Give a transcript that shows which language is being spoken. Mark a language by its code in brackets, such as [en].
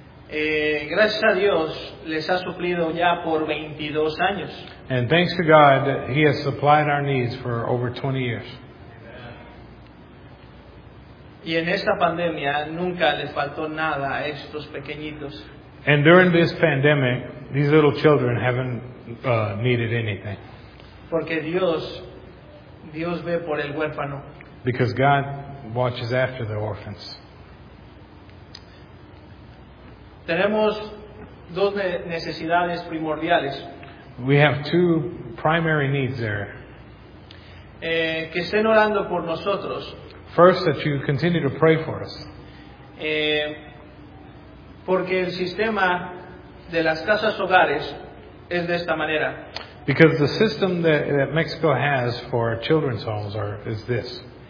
[es] Gracias a Dios, les ha suplido ya por 22 años. [en] And thanks to God, he has supplied our needs for over 20 years. [es] Y en esta pandemia, nunca les faltó nada a estos pequeñitos. [en] And during this pandemic, these little children haven't needed anything. [es] Porque Dios ve por el huérfano. [en] Because God watches after the orphans. [es] Tenemos dos necesidades primordiales. [en] We have two primary needs there. [es] Que estén orando por nosotros. [en] First, that you continue to pray for us. [es] Porque el sistema de las casas hogares es de esta manera. [en] Because the system that Mexico has for children's homes is this.